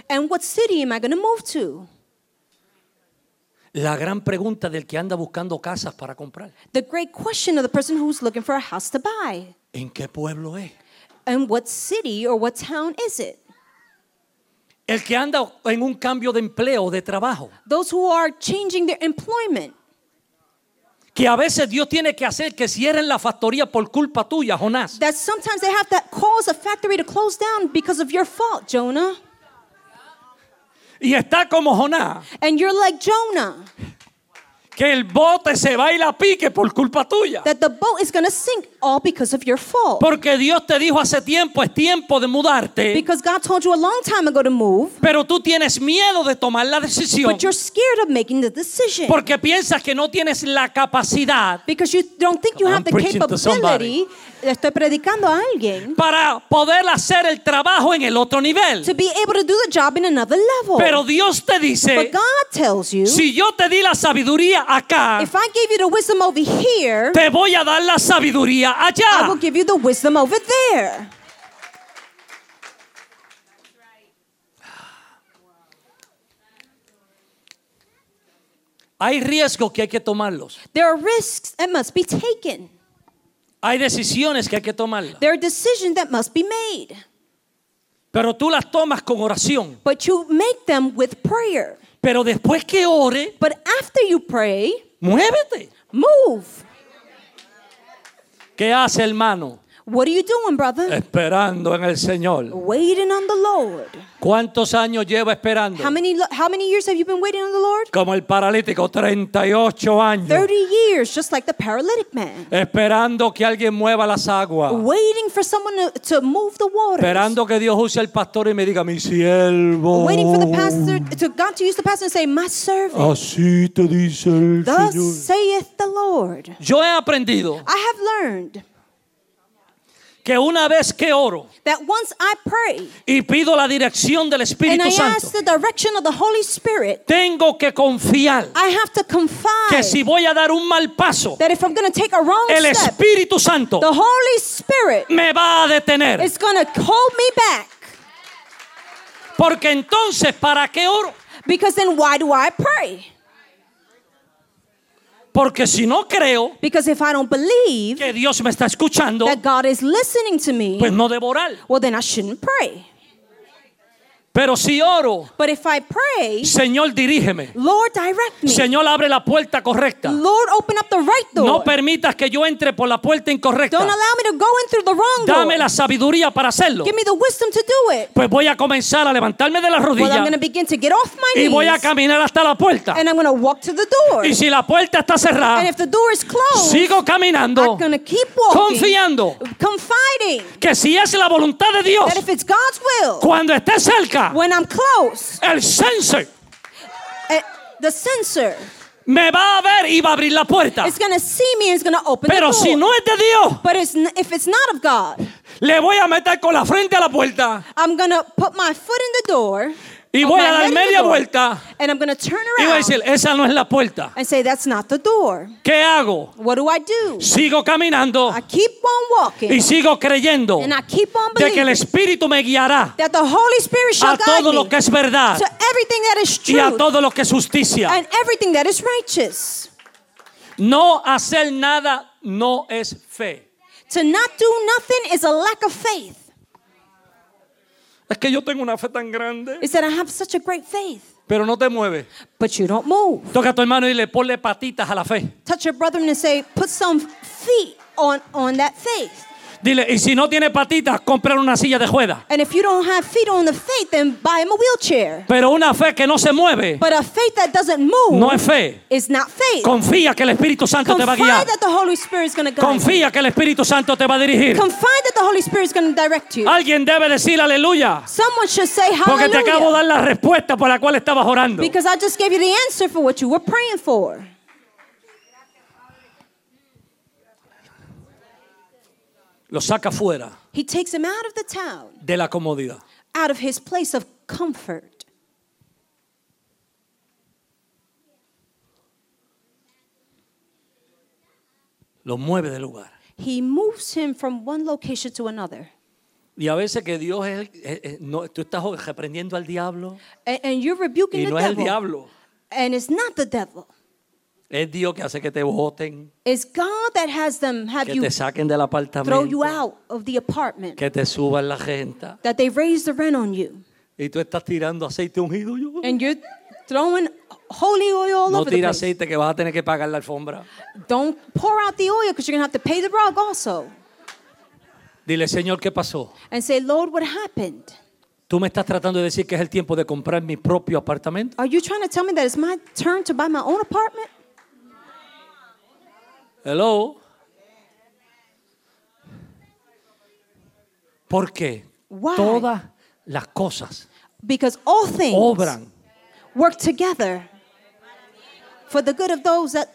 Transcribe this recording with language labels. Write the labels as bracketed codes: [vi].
[en] And what city am I going to move to? [es] La gran pregunta del que anda buscando casas para comprar. [en] The great question of the person who's looking for a house to buy. [es] ¿En qué pueblo es? [en] And what city or what town is it? [es] El que anda en un cambio de empleo, de trabajo. [en] Those who are changing their employment. [es] Que a veces Dios tiene que hacer que cierren la factoría por culpa tuya, Jonás. [en] That sometimes they have to cause a factory to close down because of your fault, Jonah. [es] Y está como Jonás. And you're like Jonah. Que el bote se va y la pique por culpa tuya. That the boat is going to sink all because of your fault. Porque Dios te dijo hace tiempo, es tiempo de mudarte. Because God told you a long time ago to move. Pero tú tienes miedo de tomar la decisión. But you're scared of making the decision. Porque piensas que no tienes la capacidad. Because you don't think you have the capability. Estoy predicando a alguien. Para poder hacer el trabajo en el otro nivel. [en] To be able to do the job in another level. [es] Pero Dios te dice. [en] But God tells you. [es] Si yo te di la sabiduría acá. [en] If I gave you the wisdom over here. [es] Te voy a dar la sabiduría allá. [en] I will give you the wisdom over there. [es] Hay riesgos que hay que tomarlos. [en] There are risks that must be taken. [es] Hay decisiones que hay que tomarlas. [en] There are decisions that must be made. [es] Pero tú las tomas con oración. [en] But you make them with prayer. [es] Pero después que ore. [en] But after you pray. [es] Muévete. [en] Move. [es] ¿Qué hace, hermano? [en] What are you doing, brother? [es] Esperando en el Señor. [en] Waiting on the Lord. [es] ¿Cuántos años lleva esperando? [en] How many years have you been waiting on the Lord? [es] Como el paralítico, 38 años. [en] 30 years, just like the paralytic man. [es] Esperando que alguien mueva las aguas. [en] Waiting for someone to move the waters. [es] Esperando que Dios use el pastor y me diga, mi siervo. [en] Waiting for the pastor, to God to use the pastor and say, my servant. [es] Así te dice el [en] Thus Thus saith the Lord. [es] Yo he aprendido. [en] I have learned. [es] Que una vez que oro [en] that once I pray, [es] y pido la dirección del Espíritu [en] and I [es] Santo [en] ask the direction of the Holy Spirit, [es] tengo que confiar [en] I have to confide [es] que si voy a dar un mal paso [en] that if I'm going to take a wrong [es] el Espíritu [en] step, [es] Santo [en] the Holy Spirit [es] me va a detener. [en] It's going to hold me back. [es] Porque entonces, ¿para qué oro? [en] Because then why do I pray? [es] Porque si no creo [en] because if I don't believe [es] que Dios me está escuchando, [en] that God is listening to me, [es] pues no debo orar. [en] Well, then I shouldn't pray. [es] Pero si oro, [en] but if I pray, [es] Señor, dirígeme. [en] Lord, direct me. [es] Señor, abre la puerta correcta. [en] Lord, open up the right door. [es] No permitas que yo entre por la puerta incorrecta. [en] Don't allow me to go in through the wrong door. [es] Dame la sabiduría para hacerlo. [en] Give me the wisdom to do it. [es] Pues voy a comenzar a levantarme de las rodillas. [en] Well, I'm going to begin to get off my knees. [es] Y voy a caminar hasta la puerta. [en] And I'm going to walk to the door. [es] Y si la puerta está cerrada, [en] and if the door is closed, [es] sigo caminando. [en] I'm going to keep walking. [es] Confiando. [en] Confiding. [es] Que si es la voluntad de Dios, [en] that if it's God's will, [es] cuando esté cerca. [en] When I'm close, [es] el sensor, [en] the sensor, [es] me va a ver y va a abrir la puerta. [en] It's gonna see me and it's gonna open [es] pero [en] the door. [es] Pero si no es de Dios, [en] but it's if it's not of God, [es] le voy a meter con la frente a la puerta. [en] I'm gonna put my foot in the door. [es] Y voy a dar media [en] door, [es] vuelta. [en] And I'm gonna turn around. [es] Y voy a decir, esa no es la puerta. [en] And say that's not the door. [es] ¿Qué hago? [en] What do I do? [es] Sigo caminando. [en] I keep on walking. [es] Y sigo creyendo. [en] And I keep on believing. [es] De que el Espíritu me guiará. [en] That the Holy Spirit shall guide me. [es] A todo lo que es verdad. [en] To everything that is truth. [es] Y a todo lo que es justicia. [en] And everything that is righteous. [es] No hacer nada no es fe. [en] To not do nothing is a lack of faith. [es] Es que yo tengo una fe tan grande. [en] He said, I have such a great faith. [es] Pero no te mueves. [en] But you don't move. [es] Toca a tu hermano y le ponle patitas a la fe. [en] Touch your brother and say, put some feet on that faith. [es] Dile, y si no tiene patitas, comprar una silla de juega. [en] And if you don't have feet on the faith, then buy him a wheelchair. [es] Pero una fe que no se mueve. [en] But a faith that doesn't move. [es] No es fe. [en] Is not faith. [es] Confía que el Espíritu Santo [en] confide [es] te va a guiar. [en] Confide that the Holy Spirit is going to guide [es] confía [en] you. [es] Confía que el Espíritu Santo te va a dirigir. [en] Confide that the Holy Spirit is going to direct you. [es] Alguien debe decir aleluya. [en] Someone should say hallelujah. [es] Porque te acabo de dar la respuesta por la cual estabas orando. [en] Because I just gave you the answer for what you were praying for. [es] Lo saca fuera. [en] He takes him out of the town. [es] De la comodidad. [en] Out of his place of comfort. [es] Lo mueve de lugar. [en] He moves him from one location to another. [es] Y a veces que Dios es, no, tú estás reprendiendo al diablo. [en] And you're rebuking [es] y no [en] the [es] es [en] devil. [es] El diablo. [en] And it's not the devil. [es] Es Dios que hace que te boten. [en] It's God that has them have [es] que te saquen del apartamento. [en] Throw you out of the apartment. [es] Que te suban la renta. [en] That they raise the rent on you. [es] Y tú estás tirando aceite ungido. [en] And you're throwing holy oil all [es] no [en] over the place. [es] Aceite que vas a tener que pagar la alfombra. [en] Don't pour out the oil because you're going to have to pay the rug also. [es] Dile, Señor, ¿qué pasó? [en] And say, Lord, what happened? [es] ¿Tú me estás tratando de decir que es el tiempo de comprar mi propio apartamento? [en] Are you trying to tell me that it's my turn to buy my own apartment? Hello? [es] ¿Por qué? [en] Why? [es] Todas las cosas [en] because all things [es] obran [en] work together for the good of those that